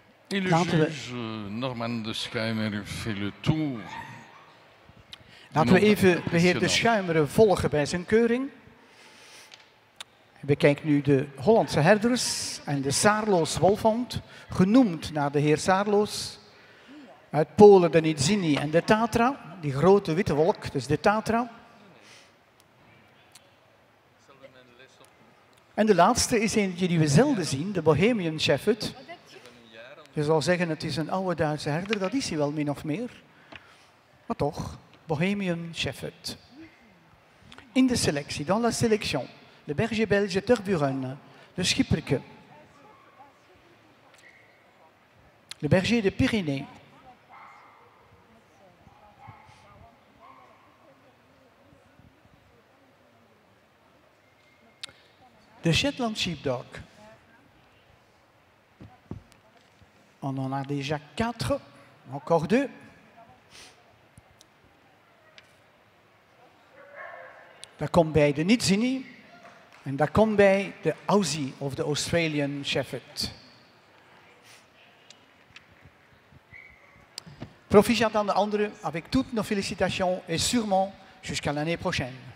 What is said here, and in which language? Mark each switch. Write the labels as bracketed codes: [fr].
[fr] Et le juge Norman de Schuimeren fait le tour. [nl] Laten we even de heer de Schuimeren volgen bij zijn keuring. We kijken nu de Hollandse herders en de Saarloos wolfhond, genoemd naar de heer Saarloos. Uit Polen de Nidzini en de Tatra, die grote witte wolk, dus de Tatra. En de laatste is eentje die we zelden zien, de Bohemian Shepherd. Je zal zeggen, het is een oude Duitse herder, dat is hij wel min of meer. Maar toch, Bohemian Shepherd. In de selectie, [fr] dans la sélection, le berger belge Tervuren, le Schipperke. Le berger de Pyrénées. [nl] De Shetland Sheepdog. [fr] On en a déjà 4, encore 2. [nl] Dan komt bij de Nidzini, En dat komt bij de Aussie of de Australian Shepherd. Proficiat aan de anderen, [fr] avec toutes nos félicitations et sûrement jusqu'à l'année prochaine.